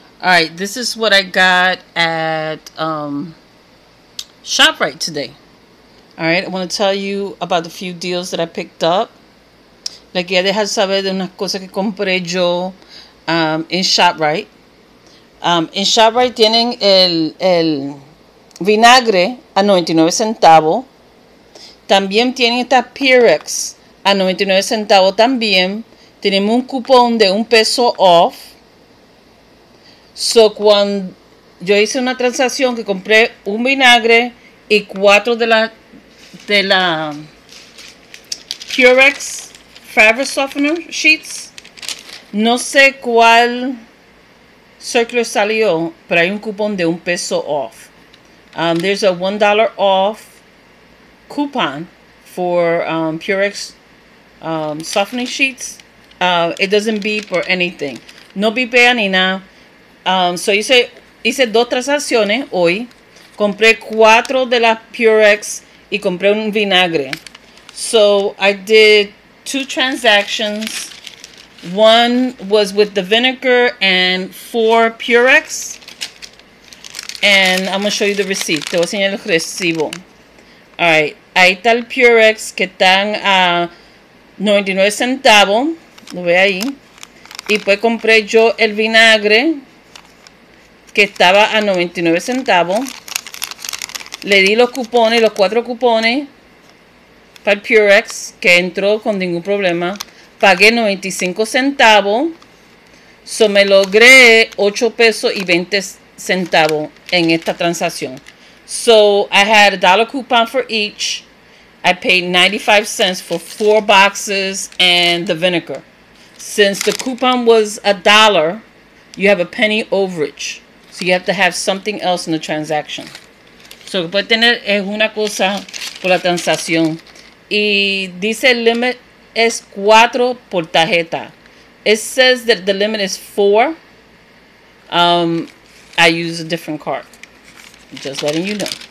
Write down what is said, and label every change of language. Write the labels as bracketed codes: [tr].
[en] All right, this is what I got at ShopRite today. All right, I want to tell you about a few deals that I picked up. [es] Le quería dejar saber de unas cosas que compré yo en ShopRite. En ShopRite tienen el vinagre a 99 centavos. También tienen esta Pyrex a 99 centavos también. Tenemos un cupón de un peso off. So, cuando yo hice una transacción que compré un vinagre y cuatro de la Purex Fabric Softener Sheets. No sé cuál circular salió, pero hay un cupón de un peso off. [en] There's a $1 off coupon for Purex softening sheets. It doesn't beep or anything. [es] No beepea ni nada. So hice dos transacciones hoy. Compré cuatro de las Purex y compré un vinagre. [en] So I did two transactions. One was with the vinegar and four Purex. And I'm going to show you the receipt. [es] Te voy a enseñar el recibo. Alright. Ahí está el Purex que están a 99 centavos. Lo ve ahí. Y pues compré yo el vinagre que estaba a 99 centavos. Le di los cupones, los cuatro cupones para el Purex que entró con ningún problema. Pagué 95 centavos. So me logré 8 pesos y 20 centavos en esta transacción. [en] So I had a dollar coupon for each. I paid 95 cents for four boxes and the vinegar. Since the coupon was a dollar, you have a penny overage. So you have to have something else in the transaction. [es] So que puede tener es una cosa por la transacción. Y dice el limit es 4 por tarjeta. [en] It says that the limit is 4. I use a different card. Just letting you know.